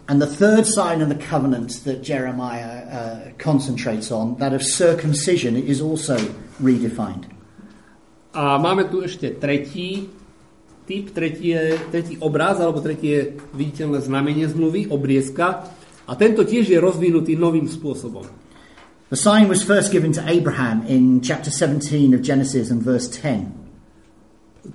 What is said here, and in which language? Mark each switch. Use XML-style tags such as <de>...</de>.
<en>And the third sign of the covenant that Jeremiah concentrates on, that of circumcision, is also redefined.</en> <sk>A máme tu ešte tretí typ, tretí obraz alebo tretie viditeľné znamenie zmluvy, obriezka. A tento tiež je rozvinutý novým spôsobom.</sk> <en>The sign was first given to Abraham in chapter 17 of Genesis and verse 10.</en>